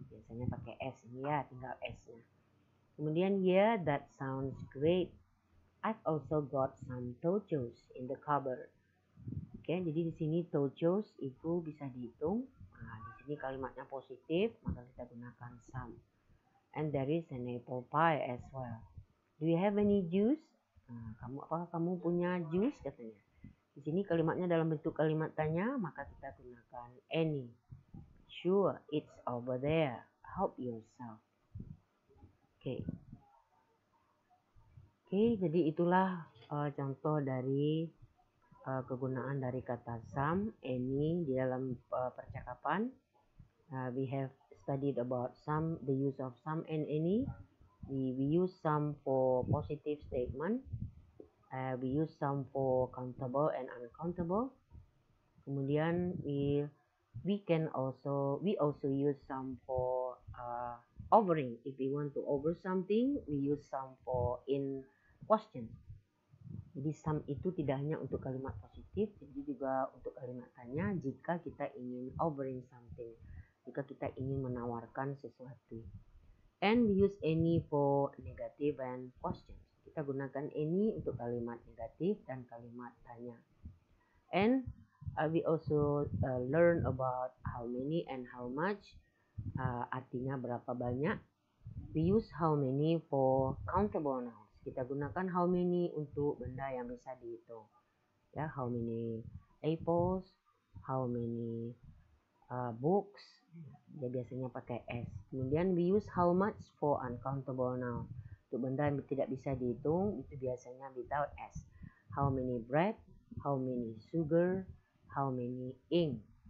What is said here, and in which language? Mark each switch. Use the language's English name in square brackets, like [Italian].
[Indonesian] Biasanya pakai s ini ya, tinggal s-nya. [English] Kemudian yeah, that sounds great. I've also got some tochos in the cupboard. Okay, [Indonesian] jadi di sini tochos itu bisa dihitung. Nah, di sini kalimatnya positif, maka kita gunakan some. [English] And there is an apple pie as well. Do you have any juice? [Indonesian] Apakah kamu punya juice? Katanya. Di sini kalimatnya dalam bentuk kalimat tanya, maka kita gunakan any. [English] Sure, it's over there. Help yourself. Okay. [Indonesian] Okay, jadi itulah contoh dari kegunaan dari kata some, any di dalam percakapan. [English] We have studied about some, the use of some and any. We use some for positive statement. We use some for countable and uncountable. Kemudian we also use some for overing. If we want to over something, we use some for in question. [Indonesian] Jadi some itu tidak hanya untuk kalimat positif, jadi juga untuk kalimat tanya jika kita ingin [English] offering something, [Indonesian] jika kita ingin menawarkan sesuatu. [English] And we use any for negative and questions. [Indonesian] Kita gunakan any untuk kalimat negatif dan kalimat tanya. And [English] We also learn about how many and how much, [Indonesian] artinya berapa banyak. [English] We use how many for countable nouns. [Indonesian] Kita gunakan how many untuk benda yang bisa dihitung. [English] Ya, how many apples, how many books. [Indonesian] Dia biasanya pakai s. [English] Kemudian we use how much for uncountable nouns. [Indonesian] Untuk benda yang tidak bisa dihitung, itu biasanya without s. [English] How many bread, how many sugar, how many ink.